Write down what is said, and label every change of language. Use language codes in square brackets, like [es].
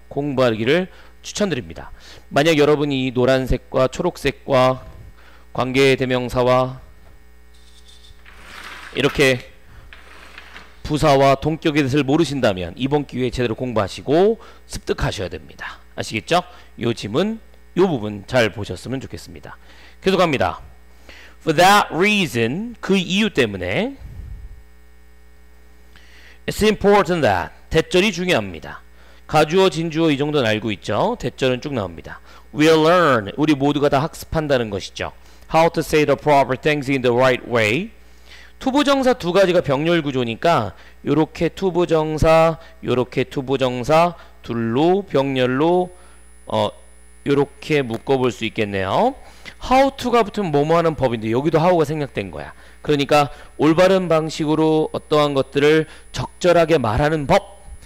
[ko] 공부하기를 추천드립니다. 만약 여러분이 이 노란색과 초록색과 관계대명사와 이렇게 부사와 동격의 뜻을 모르신다면 이번 기회에 제대로 공부하시고 습득하셔야 됩니다. 아시겠죠? 요 지문, 요 부분 잘 보셨으면 좋겠습니다. 계속합니다. [en] For that reason, [ko] 그 이유 때문에 [en] It's important that [ko] 대절이 중요합니다. 가주어, 진주어 이 정도는 알고 있죠? 대절은 쭉 나옵니다. [en] We'll learn, [ko] 우리 모두가 다 학습한다는 것이죠. [en] How to say the proper things in the right way. [ko] 투부정사 두 가지가 병렬 구조니까 요렇게 투부정사, 요렇게 투부정사 둘로 병렬로 요렇게 묶어볼 수 있겠네요. How to가 붙으면 뭐뭐 하는 법인데 여기도 how가 생략된 거야. 그러니까 올바른 방식으로 어떠한 것들을 적절하게 말하는 법.